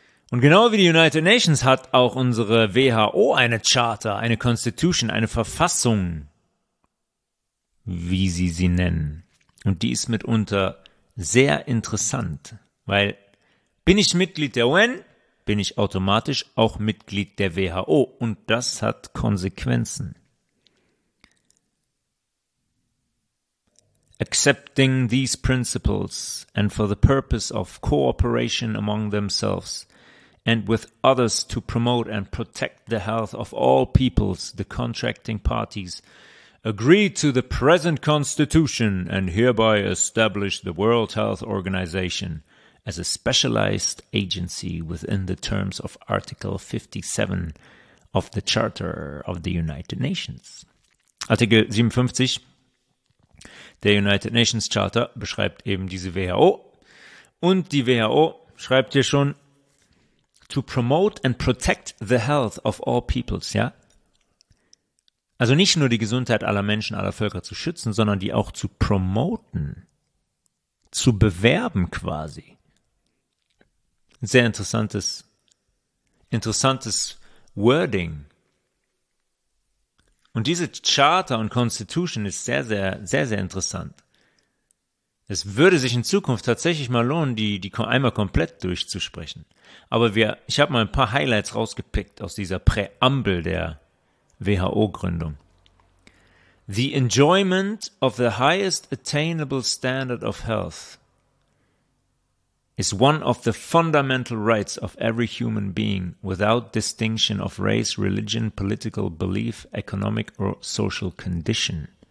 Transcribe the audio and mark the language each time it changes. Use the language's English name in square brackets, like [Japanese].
[German] Und genau wie die United Nations hat auch unsere WHO eine Charter, eine Constitution, eine Verfassung, wie sie sie nennen. Und die ist mitunter sehr interessant, weil bin ich Mitglied der UN, bin ich automatisch auch Mitglied der WHO. Und das hat Konsequenzen. [English] Accepting these principles and for the purpose of cooperation among themselves and with others to promote and protect the health of all peoples, the contracting parties agree to the present constitution and hereby establish the World Health Organization as a specialized agency within the terms of Article 57 of the Charter of the United Nations. [German] Artikel 57 der United Nations Charter beschreibt eben diese WHO. Und die WHO schreibt hier schon, [English] to promote and protect the health of all peoples, [German] ja? Also nicht nur die Gesundheit aller Menschen, aller Völker zu schützen, sondern die auch zu promoten, zu bewerben quasi. Ein sehr interessantes Wording. Und diese Charter und Constitution ist sehr, sehr, sehr, sehr interessant. Es würde sich in Zukunft tatsächlich mal lohnen, die einmal komplett durchzusprechen. Aber ich habe mal ein paar Highlights rausgepickt aus dieser Präambel der WHO-Gründung. [English] The enjoyment of the highest attainable standard of health is one of the fundamental rights of every human being without distinction of race, religion, political belief, economic or social condition.